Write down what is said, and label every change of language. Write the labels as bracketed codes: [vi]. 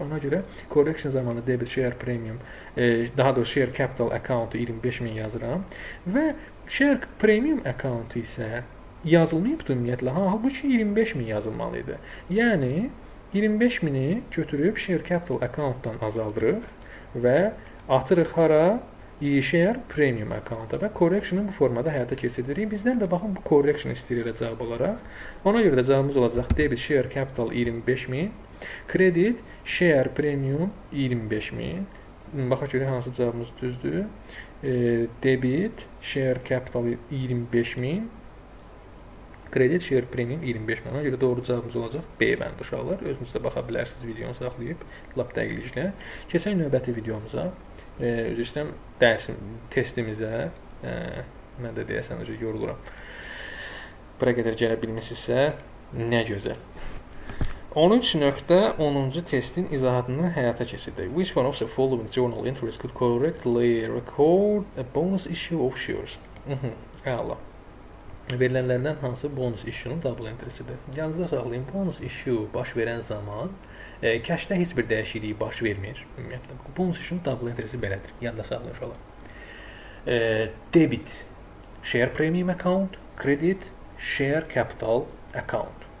[az] Ona görə correction zamanı debit share premium, daha doğrusu share capital account-u 25000 yazıram. Və share premium account-u isə yazılmayıbdır ümumiyyətlə, halbuki 25000 yazılmalı idi. Yəni 25000-i götürüb share capital account-dan azaldırıq və atırıq hara? E-share premium account-a və correction-ı bu formada həyata keçiririk. Bizdən də baxın bu correction istəyirə cavab olaraq. Ona görə də cavabımız olacaq debit share capital 25000, credit share premium 25000. Baxaq görə hansı cavabımız düzdür. Debit share capital 25000. Credit share premium 25000. Ona görə doğru cavabımız olacaq B bənd uşaqlar. Özünüz də baxa bilərsiniz videonu saxlayıb lap dəqiqliklə. Keçək növbəti videomuza. Üzr istəyirəm testimizə. Mən də deyəsən özü yoruluram. Bura qədər gələ bilmisinizsə nə gözəl. 13.10-cu testin izahatını həyata keçirdik. [en] Which one of the following journal entries could correctly record a bonus issue of shares? [az] Əla. Verilənlərindən hansı bonus issue-nun double entry-sidir? Yalnızca sağlayın, bonus issue baş verən zaman cash-də heç bir dəyişikliyi baş vermir. Ümumiyyətlə, bonus issue-nun double entry-si belədir. Yalnızca sağlayın, uşaqlar. Debit, share premium account, credit, share capital account.